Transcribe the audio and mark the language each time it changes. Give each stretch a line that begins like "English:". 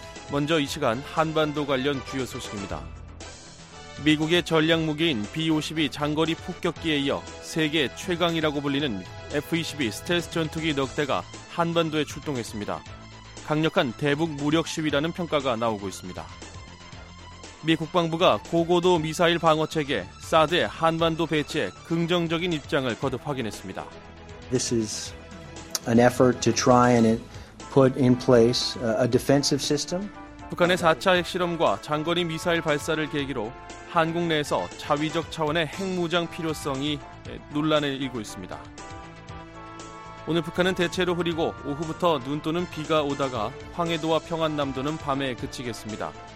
Korean: 먼저 이 시간 한반도 관련 주요 소식입니다. 미국의 전략무기인 B-52 장거리 폭격기에 이어 세계 최강이라고 불리는 F-22 스텔스 전투기 넉 대가 한반도에 출동했습니다. 강력한 대북 무력 시위라는 평가가 나오고 있습니다. 미 국방부가 고고도 미사일 방어체계 사드의 한반도 배치에 긍정적인 입장을 거듭 확인했습니다.
English: This is an effort to try and put in place a defensive system.
Korean: 북한의 4차 핵실험과 장거리 미사일 발사를 계기로 한국 내에서 자위적 차원의 핵무장 필요성이 논란을 일고 있습니다. 오늘 북한은 대체로 흐리고 오후부터 눈 또는 비가 오다가 황해도와 평안남도는 밤에 그치겠습니다.